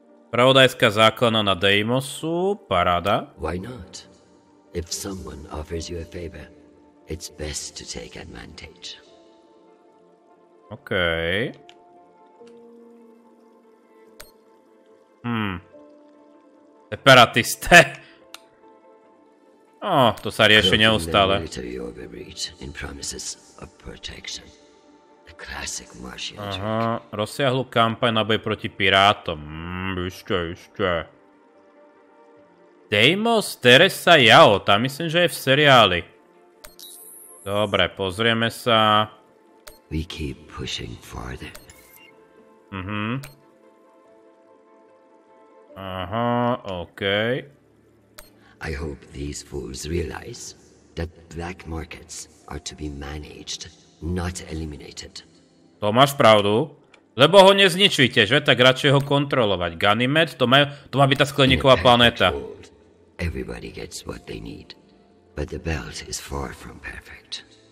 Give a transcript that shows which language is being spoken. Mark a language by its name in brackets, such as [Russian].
[Slovak] Pravodajská základna na Deimosu, paráda. [English] Why not? If someone offers you a favor, it's best to take advantage. OK. [Slovak] Separatisté. Oh, to sa rieši neustále. Aha, rozsiahlu kampaň na boj proti pirátom. Ešte. Deimos, Teresa, Yao, tá myslím, že je v seriáli. Dobre, pozrieme sa. [English] We keep pushing farther. Aha, OK. I hope these fools realize that black markets are to be managed, not eliminated. [Slovak] To máš pravdu, lebo ho nezničujte, že? Tak radšej ho kontrolovať. Ganymed, to má byť tá skleníková planéta. [English] Everybody gets what they need, but the belt is far from perfect.